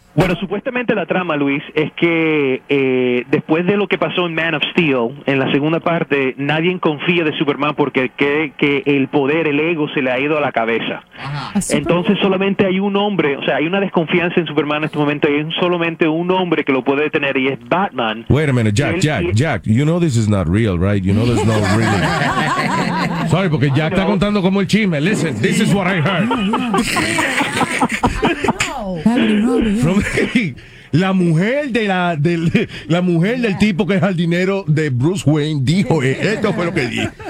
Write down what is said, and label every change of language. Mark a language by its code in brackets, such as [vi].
[es] Bueno, supuestamente la trama, Luis, es que después de lo que pasó en Man of Steel, en la segunda parte, nadie confía de Superman porque cree que el poder, el ego, se le ha ido a la cabeza. Entonces solamente hay un hombre, o sea, hay una desconfianza en Superman en este momento y es solamente un hombre que lo puede detener y es Batman. [en] Wait a minute, Jack, you know this is not real, right? You know there's no real. Sorry, [es] porque Jack está contando como el chisme. [en] Listen, this is what I heard. Oh. From [es] la mujer de la del la mujer del tipo que es jardinero de Bruce Wayne dijo esto fue lo que dije.